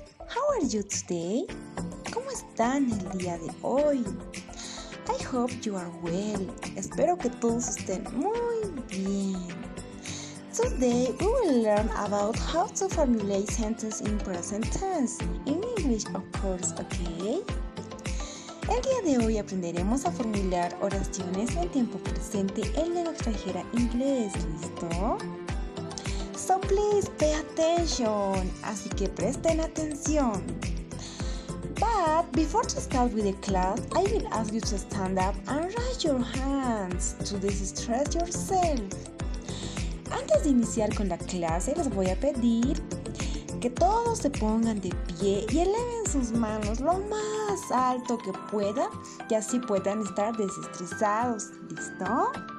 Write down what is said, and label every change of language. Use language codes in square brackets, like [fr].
[en] How are you today? [es] ¿Cómo están el día de hoy? [en] I hope you are well. [es] Espero que todos estén muy bien. [en] Today, we will learn about how to formulate sentences in present tense, in English, of course, okay? [es] El día de hoy aprenderemos a formular oraciones en tiempo presente en lengua extranjera inglés, ¿listo? [en] So please pay attention, [es] así que presten atención. [en] But before to start with the class, I will ask you to stand up and raise your hands to de-stress yourself. [es] Antes de iniciar con la clase, les voy a pedir que todos se pongan de pie y eleven sus manos lo más alto que puedan y así puedan estar desestresados. ¿Listo?